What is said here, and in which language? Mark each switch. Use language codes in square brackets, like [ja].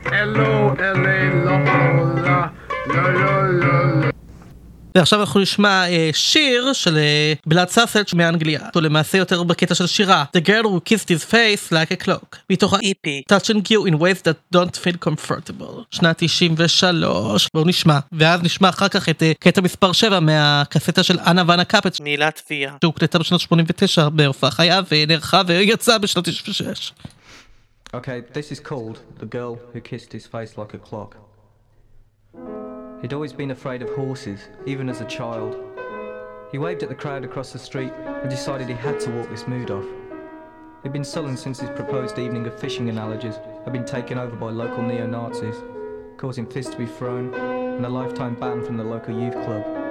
[he] L-O-L-A Lola. La-la-la-la. ועכשיו אנחנו נשמע שיר של בלאד סאסג' מאנגליה, הוא למעשה יותר בקטע של שירה, The Girl Who Kissed His Face Like a Clock, מתוך ה-EP Touch and Go in Ways That Don't Feel Comfortable, שנת 93. בואו נשמע, ואז נשמע אחר כך את קטע מספר 7 מהקסטה של אנה ואנה קאפץ, מילה תפייה, שהוקלטה בשנת 89 בהופעה חיה ונערכה ויצאה בשנת 96. [en] Okay, this is called The Girl Who Kissed His Face Like a Clock. He'd always been afraid of horses, even as a child. He waved at the crowd across the street and decided he had to walk this mood off. He'd been sullen since his proposed evening of fishing analogies had been taken over by local neo-Nazis, causing fists to be thrown and a lifetime ban from the local youth club.